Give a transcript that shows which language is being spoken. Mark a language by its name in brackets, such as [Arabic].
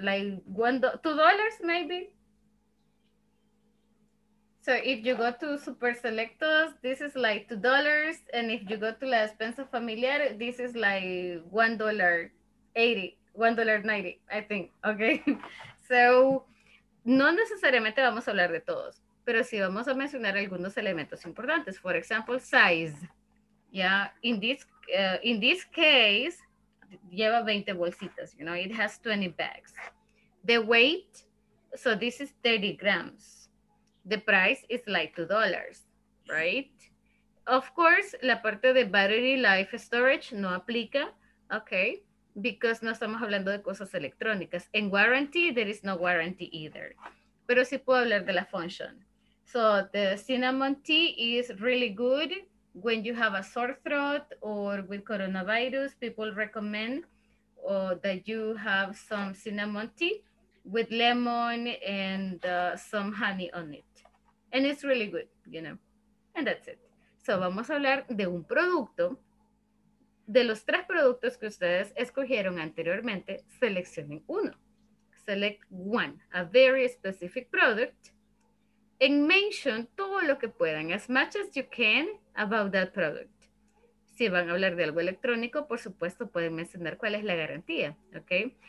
[English] Like $2 maybe. So if you go to Super Selectos, this is like $2. And if you go to La Despensa Familiar, this is like $1.90, I think, okay? [Spanish] So, no necesariamente vamos a hablar de todos, pero sí vamos a mencionar algunos elementos importantes. [English] For example, size. Yeah, in this case, [Spanish] lleva 20 bolsitas, [English] you know, it has 20 bags. The weight, so this is 30 grams. The price is like $2, right? Of course, [Spanish] la parte de [English] battery life storage [Spanish] no aplica, [English] okay? Because [Spanish] no estamos hablando de cosas electrónicas. [English] En warranty, there is no warranty either. [Spanish] Pero sí puedo hablar de la function. [English] So the cinnamon tea is really good when you have a sore throat or with coronavirus, people recommend that you have some cinnamon tea with lemon and some honey on it. And it's really good, you know. And that's it. So [Spanish] vamos a hablar de un producto. De los tres productos que ustedes escogieron anteriormente, seleccionen uno. [English] Select one, a very specific product. And mention [Spanish] todo lo que puedan, [English] as much as you can, about that product. [Spanish] Si van a hablar de algo electrónico, por supuesto, pueden mencionar cuál es la garantía, okay?